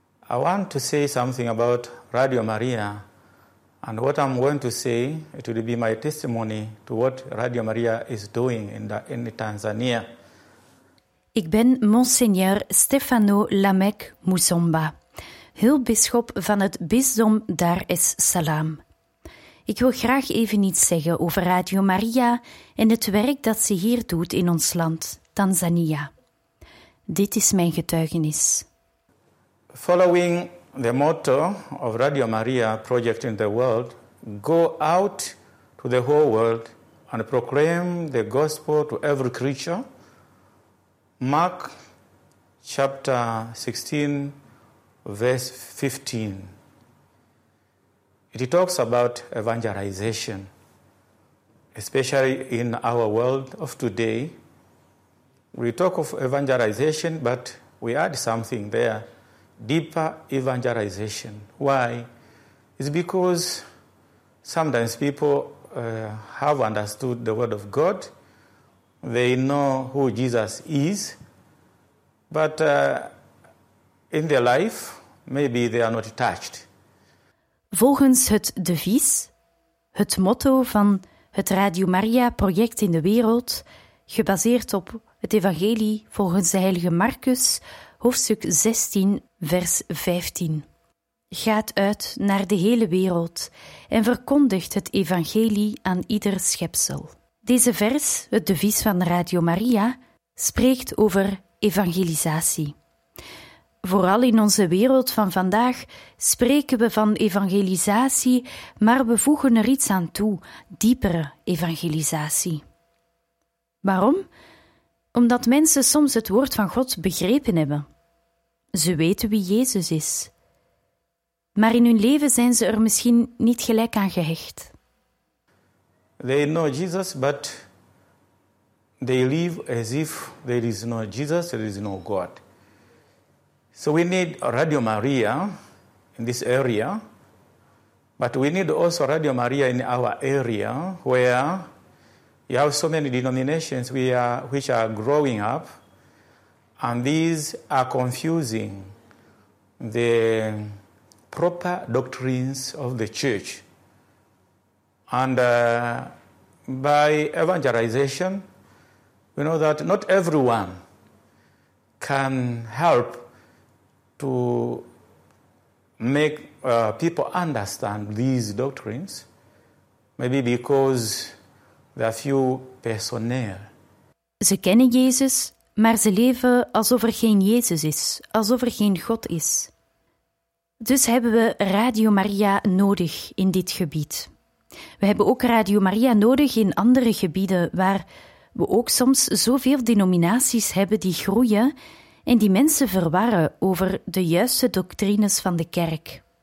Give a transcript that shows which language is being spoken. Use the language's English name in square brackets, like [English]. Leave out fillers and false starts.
[English] I want to say something about Radio Maria, and what I'm going to say, it will be my testimony to what Radio Maria is doing in Tanzania. [Dutch] Ik ben Monseigneur Stefano Lamek Musomba, hulpbisschop van het bisdom Dar es Salaam. Ik wil graag even iets zeggen over Radio Maria en het werk dat ze hier doet in ons land, Tanzania. Dit is mijn getuigenis. [English] Following the motto of Radio Maria Project in the World, go out to the whole world and proclaim the gospel to every creature. Mark chapter 16, verse 15. It talks about evangelization, especially in our world of today. We talk of evangelization, but we add something there, deeper evangelization. Why? It's because sometimes people have understood the word of God. They know who Jesus is, but in their life, maybe they are not touched. [Dutch] Volgens het devies, het motto van het Radio Maria project in de wereld, gebaseerd op het evangelie volgens de heilige Marcus, hoofdstuk 16, vers 15. Gaat uit naar de hele wereld en verkondigt het evangelie aan ieder schepsel. Deze vers, het devies van Radio Maria, spreekt over evangelisatie. Vooral in onze wereld van vandaag spreken we van evangelisatie, maar we voegen er iets aan toe, diepere evangelisatie. Waarom? Omdat mensen soms het woord van God begrepen hebben. Ze weten wie Jezus is. Maar in hun leven zijn ze er misschien niet gelijk aan gehecht. [English] They know Jesus, but they live as if there is no Jesus, there is no God. So we need Radio Maria in this area, but we need also Radio Maria in our area where you have so many denominations which are growing up, and these are confusing the proper doctrines of the church. And by evangelization, we know that not everyone can help to make people understand these doctrines, maybe because there are few personnel. [Dutch] Ze kennen Jezus, maar ze leven alsof er geen Jezus is, alsof er geen God is. Dus hebben we Radio Maria nodig in dit gebied. We hebben ook Radio Maria nodig in andere gebieden waar we ook soms zoveel denominaties hebben die groeien en die mensen verwarren over de juiste doctrines van de kerk.